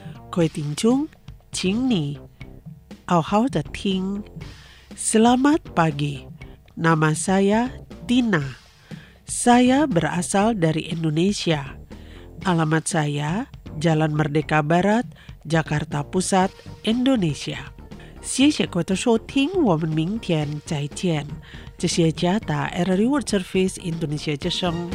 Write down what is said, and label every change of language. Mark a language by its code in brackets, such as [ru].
[zh] 各位听众，请你好好的听。 [id] Selamat pagi, Nama saya Tina. Saya berasal dari Indonesia. Alamat saya Jalan Merdeka Barat, Jakarta Pusat, Indonesia. [zh] 谢谢各位的收听，我们明天再见。这是佳达Air Reward Service Indonesia之声。